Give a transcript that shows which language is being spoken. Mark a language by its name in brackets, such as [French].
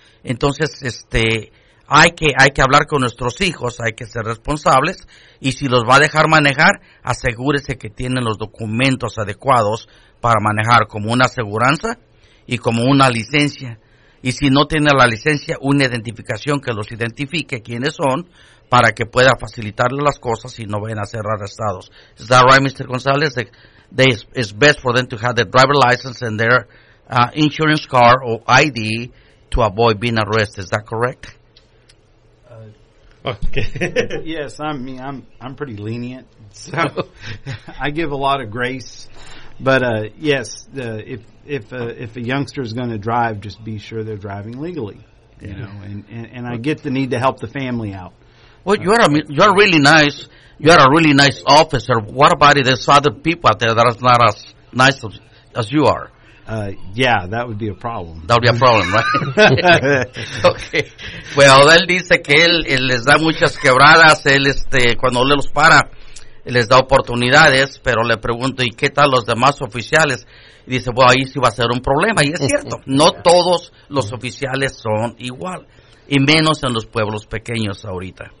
[Spanish] Entonces, hay que hablar con nuestros hijos, hay que ser responsables, y si los va a dejar manejar, asegúrese que tienen los documentos adecuados para manejar, como una aseguranza y como una licencia. Y si no tiene la licencia, una identificación que los identifique quiénes son para que pueda facilitarle las cosas y no vayan a ser arrestados. [English] Is that right, Mr. González? It's best for them to have their driver license and their insurance card or ID to avoid being arrested. Is that correct? Okay. Yes, I'm pretty lenient. So I give a lot of grace. But yes, if a youngster is going to drive, just be sure they're driving legally, you know. And I get the need to help the family out. Well, you're really nice. You're a really nice officer. What about these other people out there that are not as nice as you are? Yeah, that would be a problem. That would be a problem, right? Okay. [Spanish] Well, él dice que él les da muchas quebradas. Él cuando le los para. Les da oportunidades, pero le pregunto, ¿y qué tal los demás oficiales? Y dice, bueno, ahí sí va a ser un problema. Y es cierto, no todos los oficiales son igual, y menos en los pueblos pequeños ahorita.